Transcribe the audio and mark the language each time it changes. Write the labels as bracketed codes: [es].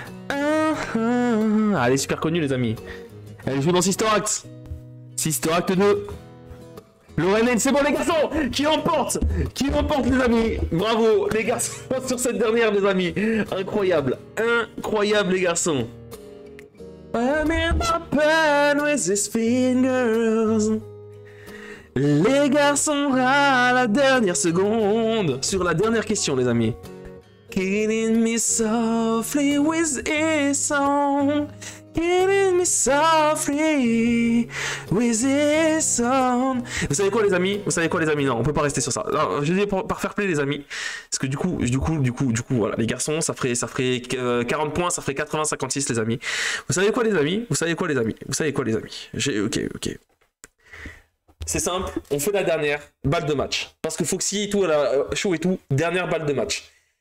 [fr] Ah, elle est super connue, les amis. Elle joue dans Sister Act. Sister Act 2. Lorraine, c'est bon, les garçons. Qui emporte? Qui emporte, les amis? Bravo, les garçons, sur cette dernière, les amis. Incroyable. Incroyable, les garçons. [en] I'm in my pen with his fingers. [fr] Les garçons, à la dernière seconde. Sur la dernière question, les amis. [en] Killing me softly with his song. Killing me softly with his song. [fr] Vous savez quoi, les amis? Vous savez quoi, les amis? Non, on peut pas rester sur ça. Non, je vais par faire play, les amis. Parce que du coup, voilà, les garçons, ça ferait 40 points, ça ferait 80-56, les amis. Vous savez quoi, les amis? Vous savez quoi, les amis? Vous savez quoi, les amis? Ok. C'est simple, on fait la dernière balle de match. Parce que Foxy et tout, elle a chaud et tout, dernière balle de match.